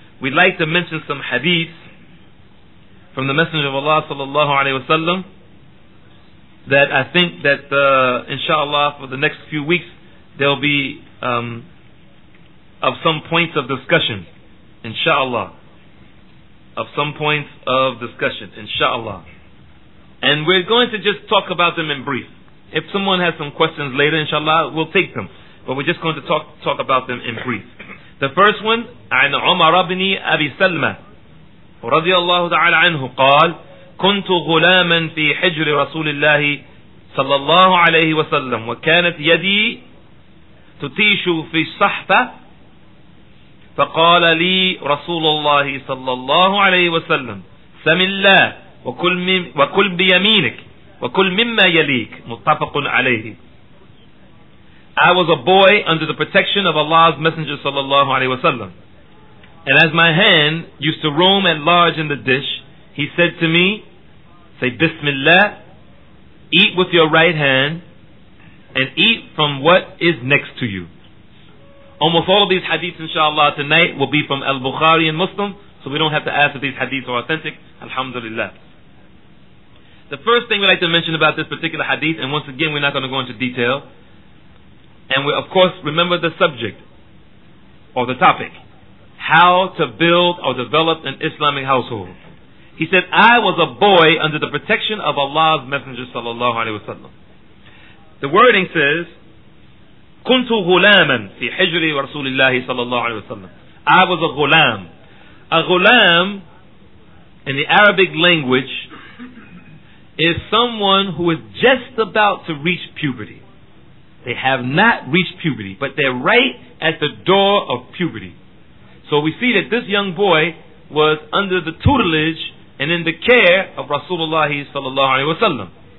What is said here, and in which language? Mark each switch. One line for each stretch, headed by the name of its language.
English: We'd like to mention some hadith from the Messenger of Allah, sallallahu alayhi wa sallam, that I think that, inshallah, for the next few weeks, there'll be of some points of discussion, inshallah. Of some points of discussion, inshallah. And we're going to just talk about them in brief. If someone has some questions later, inshallah, we'll take them. But we're just going to talk about them in brief. The first one,
Arabic: عن عمر بن أبي سلمة رضي الله تعالى عنه قال كنت غلاما في حجر رسول الله صلى الله عليه وسلم وكانت يدي تتيش في الصحفة فقال لي رسول الله صلى الله عليه وسلم سم الله وكل بيمينك وكل مما يليك متفق عليه.
English: I was a boy under the protection of Allah's Messenger sallallahu alayhi wasallam. And as my hand used to roam at large in the dish, he said to me, say Bismillah, eat with your right hand, and eat from what is next to you. Almost all of these hadiths, inshallah, tonight will be from Al-Bukhari and Muslim, so we don't have to ask if these hadiths are authentic. Alhamdulillah. The first thing we'd like to mention about this particular hadith, and once again, we're not going to go into detail, and we, of course, remember the subject or the topic, how to build or develop an Islamic household. He said, I was a boy under the protection of Allah's Messenger, sallallahu alayhi wa sallam. The wording says,
Arabic: كنت غلاما في حجر رسول الله صلى الله عليه وسلم.
English: I was a غلام. A غلام, in the Arabic language, is someone who is just about to reach puberty. They have not reached puberty, but they're right at the door of puberty. So we see that this young boy was under the tutelage and in the care of Rasulullah sallallahu alayhi wa sallam.